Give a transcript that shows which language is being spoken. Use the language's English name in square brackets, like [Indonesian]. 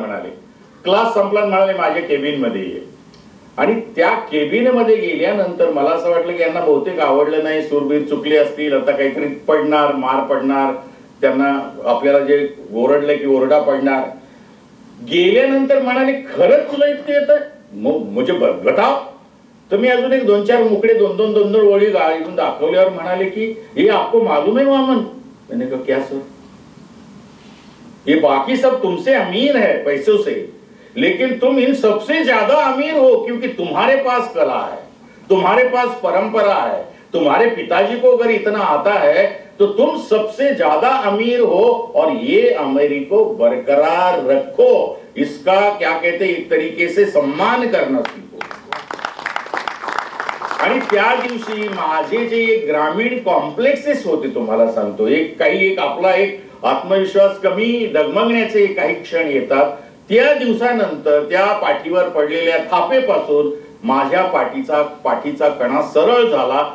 [Marathi] म्हणाले, क्लास संपला म्हणाले माझ्या केबिन मध्ये ये. आणि त्या केबिन मध्ये गेल्यानंतर मला असं वाटलं की यांना बहुतेक आवडलं नाही, सूरबीर चुकली असतील, आता काहीतरी पडणार, मार पडणार त्यांना, आपल्याला जे ओरडलं की ओरडा पडणार. गेल्यानंतर म्हणाले, खरंच तुला इतकं येतं? म्हणजे बघता तर मी अजून एक 2-4 मुकडे दोन दोन ओळी गाळून दाखवल्यावर म्हणाले की हे [Hindi] आपको मालूम [Marathi] आहे वामन. त्याने [Hindi] कहा, क्या सर? ये बाकी सब तुमसे अमीर है पैसों से, लेकिन तुम इन सबसे ज्यादा अमीर हो, क्योंकि तुम्हारे पास कला है, तुम्हारे पास परंपरा है, तुम्हारे पिताजी को अगर इतना आता है तो तुम सबसे ज्यादा अमीर हो, और ये अमीरी को बरकरार रखो, इसका क्या कहते एक तरीके से सम्मान करना सीखो. [Marathi] आणि त्या दिवशी माझे जे एक ग्रामीण कॉम्प्लेक्सेस होते, तुम्हाला सांगतो, एक काही एक आपला एक आत्मविश्वास कमी डगमगण्याचे काही क्षण येतात, त्या दिवसानंतर त्या पाठीवर पडलेल्या थापेपासून माझ्या पाठीचा कणा सरळ झाला.